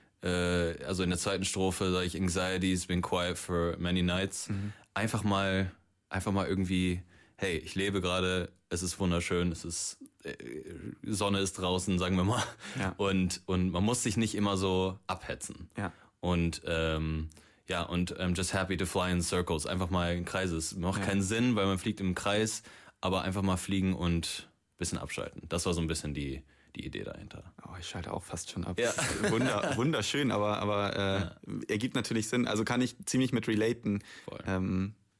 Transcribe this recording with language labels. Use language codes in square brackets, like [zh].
[de] Also in der zweiten Strophe sage ich, [en] Anxiety's been quiet for many nights. [de] Mhm. Einfach mal irgendwie, hey, ich lebe gerade, es ist wunderschön, es ist, Sonne ist draußen, sagen wir mal. Ja. Und man muss sich nicht immer so abhetzen. Ja. [en] Und I'm just happy to fly in circles. [de] Einfach mal in Kreise. Es macht keinen Sinn, weil man fliegt im Kreis, aber einfach mal fliegen und ein bisschen abschalten. Das war so ein bisschen die Idee dahinter. Oh, ich schalte auch fast schon ab. Ja. Wunderschön, aber ergibt natürlich Sinn. Also kann ich ziemlich mit relaten. Voll.